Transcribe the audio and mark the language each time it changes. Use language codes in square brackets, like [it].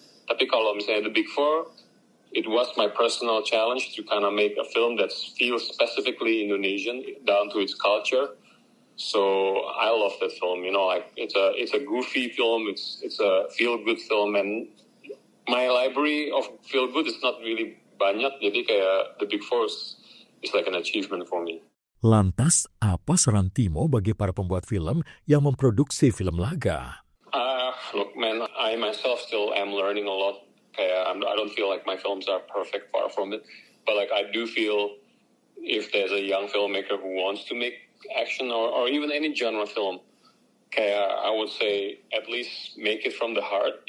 [id] Tapi kalau misalnya [en] The Big Four, it was my personal challenge to kind of make a film that feels specifically Indonesian down to its culture. So I love that film. You know, like it's a goofy film. It's a feel good film. And my library of feel good is not really [id] banyak. Jadi kayak [en] The Big Four is like an achievement for me. [id] Lantas apa saran Timo bagi para pembuat film yang memproduksi film laga? [en] Look, man, I myself still am learning a lot. I don't feel like my films are perfect, far from it. But like I do feel if there's a young filmmaker who wants to make action or even any genre film, I would say at least make it from the heart.